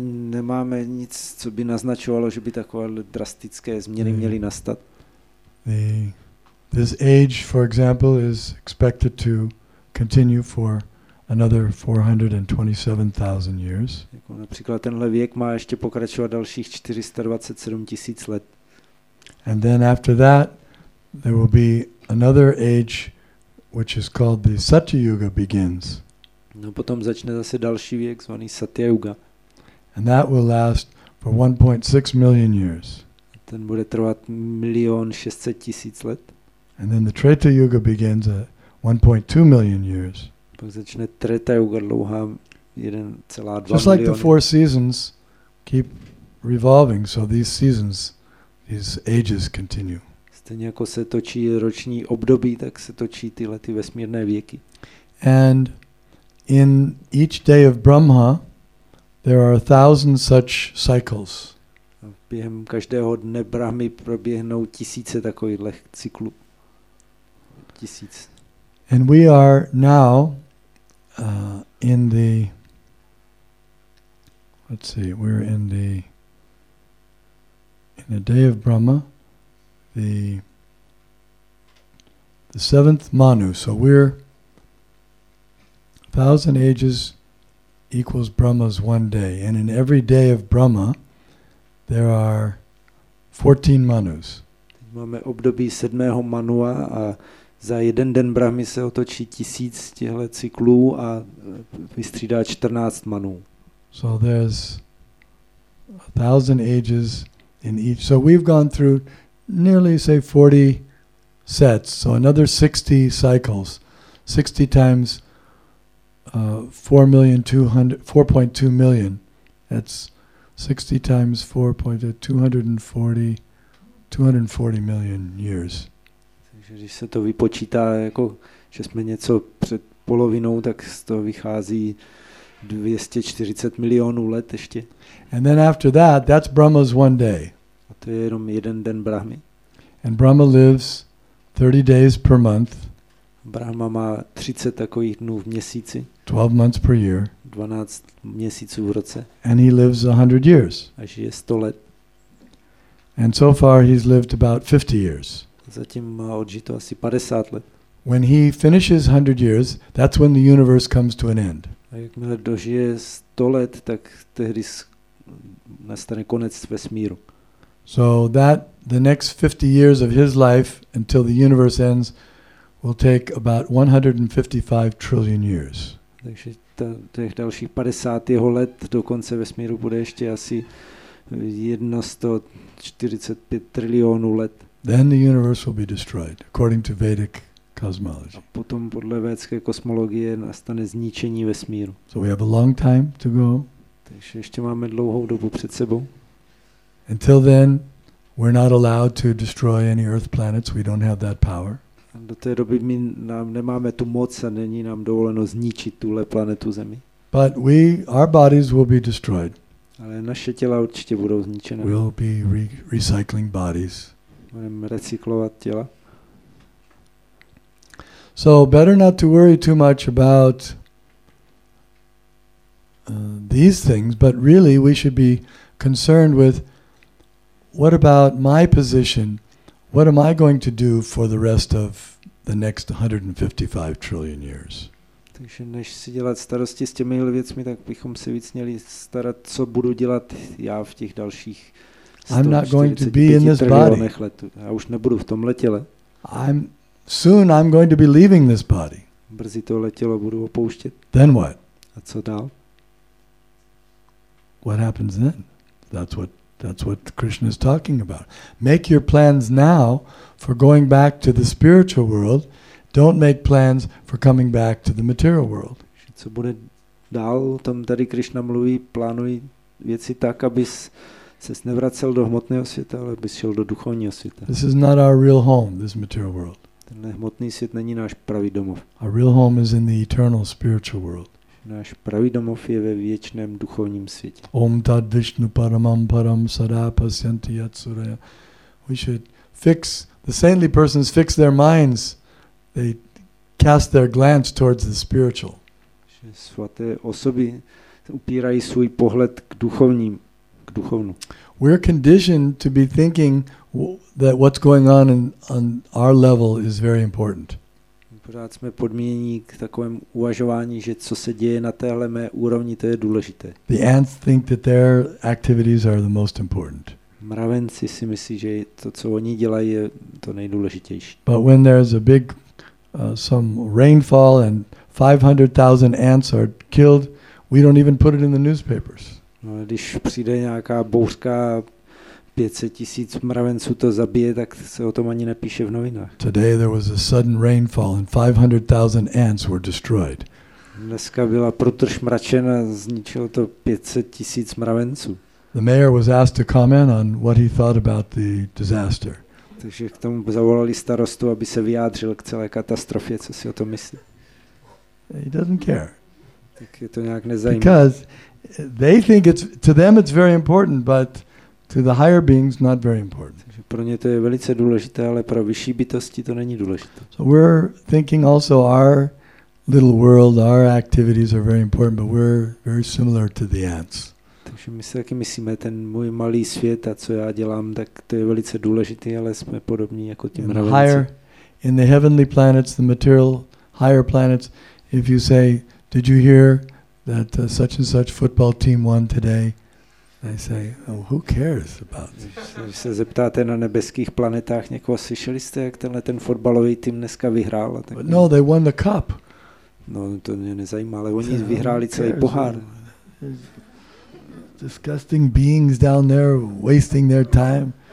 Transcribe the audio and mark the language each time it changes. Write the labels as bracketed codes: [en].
[cs] Nemáme nic, co by naznačovalo, že by takové drastické změny měly nastat. [en] This age, for example, is expected to continue for another 427,000 years. [cs] Jako například tenhle věk má ještě pokračovat dalších 427 tisíc let. [en] And then after that, there will be another age, which is called the Satyayuga begins. [cs] No potom začne zase další věk, zvaný Satyayuga. [en] And that will last for 1.6 million years. [cs] Ten bude trvat 1,600,000 let. [en] And then the Treta Yuga begins at 1.2 million years. [cs] Pak začne Treta Yuga dlouhá 1,2 miliony. [en] Just like the four seasons keep revolving, so these seasons, these ages continue. [cs] Stejně jako se točí roční období, tak se točí tyhle ty vesmírné věky. [en] And in each day of Brahma, there are 1,000 such cycles. [cs] Během každého dne Brahmy proběhnou tisíce takových cyklů. Tisíc. [en] And we are now in the, let's see, we're in the day of Brahma, the seventh Manu. So we're 1,000 ages equals Brahma's one day. And in every day of Brahma, there are 14 manus. [cs] Máme období sedmého manua a za jeden den Brahmy se otočí tisíc těchto cyklů a vystřídá 14 manů. [en] So there's 1,000 ages in each. So we've gone through nearly say 40 sets. So another 60 cycles. 60 times 4.2 million. That's 60 times 240 million years. [cs] Takže když se to vypočítá, jako že jsme něco před polovinou, tak z toho vychází 240 milionů let ještě. [en] And then after that, that's Brahma's one day. [cs] A to je jenom jeden den Brahmy. [en] And Brahma lives 30 days per month. [cs] Brahma má 30 takových dnů v měsíci. [en] 12 months per year. [cs] 12 měsíců v roce. [en] And he lives 100 years. [cs] A žije 100 let. [en] And so far he's lived about 50 years. [cs] Zatím má odžito asi 50 let. [en] When he finishes 100 years, that's when the universe comes to an end. [cs] A jakmile dožije 100 let, tak tehdy nastane konec vesmíru. [en] So that the next 50 years of his life until the universe ends will take about 155 trillion years. [cs] Takže těch dalších 50 jeho let do konce vesmíru bude ještě asi 145 trilionů let. [en] Then the universe will be destroyed, according to Vedic cosmology. [cs] A potom podle védské kosmologie nastane zničení vesmíru. [en] So we have a long time to go. [cs] Takže ještě máme dlouhou dobu před sebou. [en] Until then, we're not allowed to destroy any Earth planets. We don't have that power. [cs] Do té doby my nám nemáme tu moc a není nám dovoleno zničit tuhle planetu Zemi. [en] But we, our bodies will be destroyed. [cs] Ale naše těla určitě budou zničené. [en] We'll be recycling bodies. [cs] Budeme recyklovat těla. [en] So better not to worry too much about these things, but really we should be concerned with what about my position? What am I going to do for the rest of the next 155 trillion years? [cs] Takže než si dělat starosti s těmi věcmi, tak bychom se víc měli starat, co budu dělat já v těch dalších 145 let. Já už nebudu v tomhle těle. [en] Soon I'm going to be leaving this body. [cs] Brzy to letělo budu opouštět. [en] Then what? [cs] A A co dál? [en] What happens then? That's what Krishna is talking about. Make your plans now for going back to the spiritual world. Don't make plans for coming back to the material world. [cs] Co bude dál? Tam tady Krishna mluví, plánuj věci tak, abys se nevracel do hmotného světa, ale abys šel do duchovního světa. [en] This is not our real home, this material world. [cs] Tenhle hmotný svět není náš pravý domov. [en] Our real home is in the eternal spiritual world. [cs] Náš pravý domov je ve věčném duchovním světě. [sa] Om tad Vishnu paramam param sada pasyanti yatsuraya. [en] We should fix, the saintly persons fix their minds. They cast their glance towards the spiritual. [cs] Svaté osoby upírají svůj pohled k duchovním, k duchovnu. [en] We're conditioned to be thinking that what's going on our level is very important. [cs] Pořád jsme podmíněni k takovému uvažování, že co se děje na téhle mé úrovni, to je důležité. [en] The ants think that their activities are the most important. [cs] Mravenci si myslí, že to, co oni dělají, je to nejdůležitější. [en] But when there's a big some rainfall and 500,000 ants are killed, we don't even put it in the newspapers. [cs] No, když přijde nějaká bouřka, 500 tisíc mravenců to zabije, tak se o tom ani nepíše v novinách. [en] Today there was a sudden rainfall and 500,000 ants were destroyed. [cs] Dneska byla průtrž mračen a zničilo to 500 tisíc mravenců. [en] The mayor was asked to comment on what he thought about the disaster. [cs] Takže k tomu zavolali starostu, aby se vyjádřil k celé katastrofě, co si o tom myslí. [en] He doesn't care. [cs] Tak je to nějak nezajímavé. [en] Because they think it's, to them it's very important, but to the higher beings not very important. [cs] Pro ně to je velice důležité, ale pro vyšší bytosti to není důležité. [en] So we're thinking also our little world, our activities are very important, but we're very similar to the ants. [cs] Takže my si taky myslíme, ten můj malý svět a co já dělám, tak to je velice důležité, ale jsme podobní jako ti mravenci. [en] In the heavenly planets, the material higher planets, if you say, did you hear that such and such football team won today? They say, oh, who cares about this? [cs] Když se zeptáte na nebeských planetách někoho, slyšeli jste, jak tenhle ten fotbalový tým dneska vyhrál? Tak [en] but no, they won the cup. [cs] No, to mě nezajímá, ale oni vyhráli celý pohár. [en] Disgusting beings down there wasting their time.